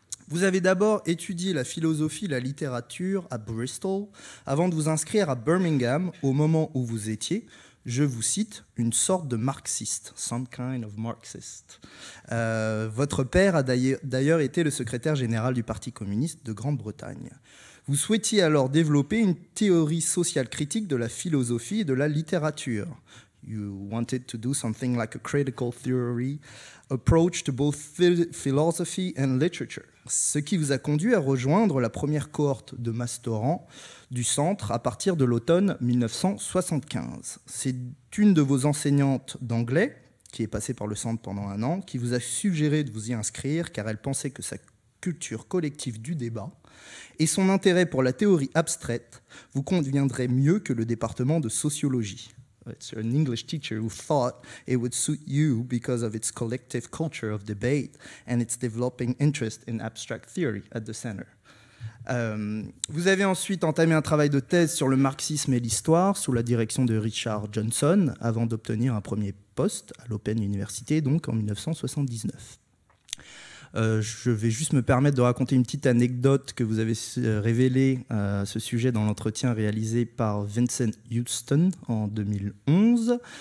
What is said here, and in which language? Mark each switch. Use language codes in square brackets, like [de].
[fr] Vous avez d'abord étudié la philosophie et la littérature à Bristol avant de vous inscrire à Birmingham au moment où vous étiez, je vous cite, une sorte de marxiste, [en] some kind of marxist. [fr] Votre père a d'ailleurs été le secrétaire général du Parti communiste de Grande-Bretagne. Vous souhaitiez alors développer une théorie sociale critique de la philosophie et de la littérature. [en] You wanted to do something like a critical theory approach to both philosophy and literature. [fr] Ce qui vous a conduit à rejoindre la première cohorte de masterants du centre à partir de l'automne 1975. C'est une de vos enseignantes d'anglais, qui est passée par le centre pendant un an, qui vous a suggéré de vous y inscrire car elle pensait que sa culture collective du débat et son intérêt pour la théorie abstraite vous conviendraient mieux que le département de sociologie. [en] It's an English teacher who thought it would suit you because of its collective culture of debate and its developing interest in abstract theory at the center. [fr] Vous avez ensuite entamé un travail de thèse sur le marxisme et l'histoire sous la direction de Richard Johnson avant d'obtenir un premier poste à l'Open University, donc en 1979. Je vais juste me permettre de raconter une petite anecdote que vous avez révélée à ce sujet dans l'entretien réalisé par Vincent Houston en 2011.